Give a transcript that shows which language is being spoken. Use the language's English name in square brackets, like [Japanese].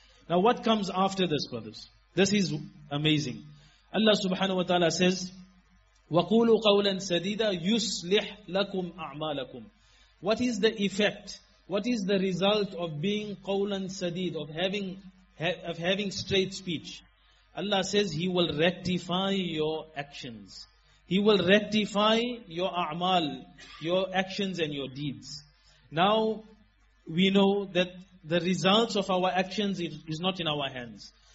[English] Now what comes after this, brothers? This is amazing. Allah subhanahu wa ta'ala says, [Arabic] وَقُولُوا قَوْلًا سَدِيدًا يُسْلِحْ لَكُمْ أَعْمَالَكُمْ. [English] What is the effect? What is the result of being [Arabic] قَوْلًا سَدِيدًا, [English] of having straight speech? Allah says He will rectify your actions. He will rectify your a'mal, your actions and your deeds. Now, we know that the results of our actions is not in our hands.